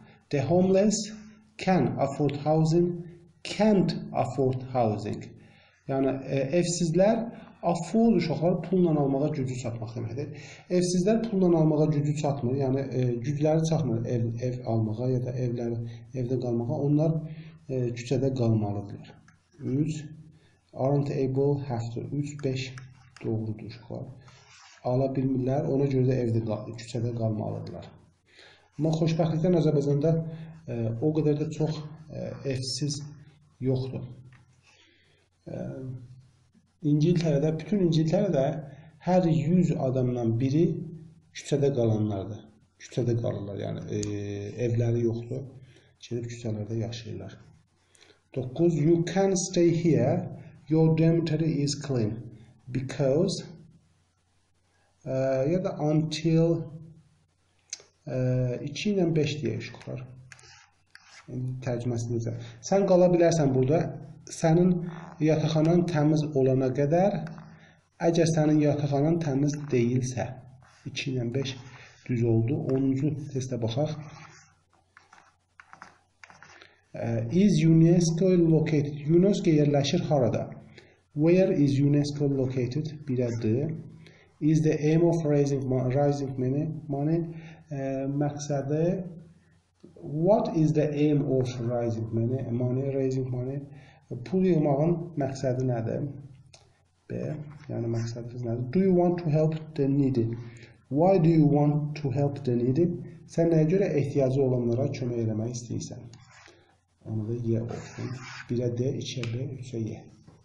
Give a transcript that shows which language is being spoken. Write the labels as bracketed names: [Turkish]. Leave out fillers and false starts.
[English] The homeless can afford housing, can't afford housing. [Azerbaijani] Yəni, evsizlər afford uşaqlar pulla almağa gücü çatmaq deməkdir. Evsizlər pulla almağa gücü çatmır, yəni gücləri çatmır ev almağa ya da evdə qalmağa. Onlar küçədə qalmalıdırlar. 3, aren't able, have to. 3, 5 doğrudur uşaqlar. Ala bilmirlər, ona görə də evdə, küçədə qalmalıdırlar. Amma xoşbəxtlikdən Azərbaycanda o qədər də çox evsiz yoxdur. Bütün İngiltərədə hər 100 adamdan biri küçədə qalanlardır. Küçədə qalırlar, yəni evləri yoxdur, gedib küçələrdə yaşayırlar. 9. [English] You can stay here, your dormitory is clean, because... [Azerbaijani] Ya da until 2 ilə 5 deyək uşaqlar. Tərcüməsini izləyək. Sən qala bilərsən burada, sənin yataqxanan təmiz olana qədər, əgər sənin yataqxanan təmiz deyilsə, 2 ilə 5 düz oldu. 10-cu testə baxaq. Is UNESCO located? UNESCO yerləşir harada? [English] Where is UNESCO located? Bir ədədir. Is the aim of raising money? Məqsədi What is the aim of raising money? Raising money? [Azerbaijani] Pul yığmağın məqsədi nədir? B. Yəni məqsədiniz nədir? [English] Do you want to help the needy? Why do you want to help the needy? [Azerbaijani] Sən nəyə görə ehtiyacı olanlara kömək eləmək istəyirsən? Onu da Y olsun. 1-ə D, 2-ə B, 3-ə Y.